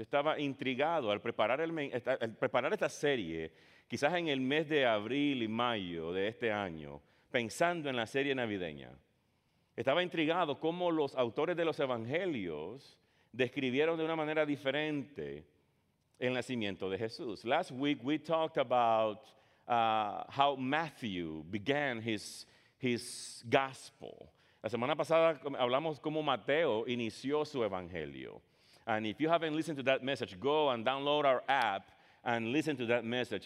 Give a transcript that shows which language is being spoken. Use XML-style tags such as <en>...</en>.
<es>Yo estaba intrigado al preparar esta serie, quizás en el mes de abril y mayo de este año, pensando en la serie navideña. Estaba intrigado cómo los autores de los evangelios describieron de una manera diferente el nacimiento de Jesús.</es> <en>Last week we talked about how Matthew began his gospel.</en> <es>La semana pasada hablamos cómo Mateo inició su evangelio.</es> <en>And if you haven't listened to that message, go and download our app and listen to that message.</en>